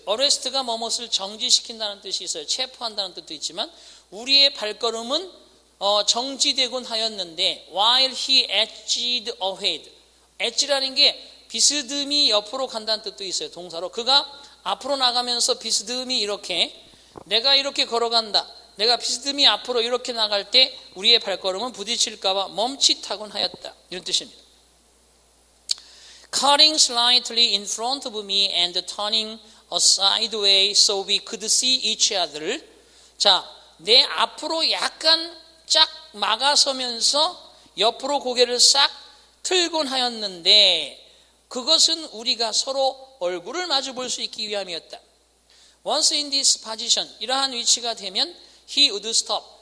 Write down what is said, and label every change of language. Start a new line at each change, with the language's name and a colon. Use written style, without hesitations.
Korean: arrest가 무엇을 정지시킨다는 뜻이 있어요. 체포한다는 뜻도 있지만 우리의 발걸음은 정지되곤 하였는데
English: while he edged ahead.
Korean: edge라는 게 비스듬히 옆으로 간다는 뜻도 있어요. 동사로. 그가 앞으로 나가면서 비스듬히 이렇게 내가 이렇게 걸어간다. 내가 비스듬히 앞으로 이렇게 나갈 때 우리의 발걸음은 부딪힐까봐 멈칫하곤 하였다. 이런 뜻입니다.
English: Cutting slightly in front of me and turning a side way so we could see each other.
Korean: 자, 내 앞으로 약간 쫙 막아서면서 옆으로 고개를 싹 틀곤 하였는데 그것은 우리가 서로 얼굴을 마주 볼 수 있기 위함이었다.
English: Once in this position,
Korean: 이러한 위치가 되면
English: he would stop.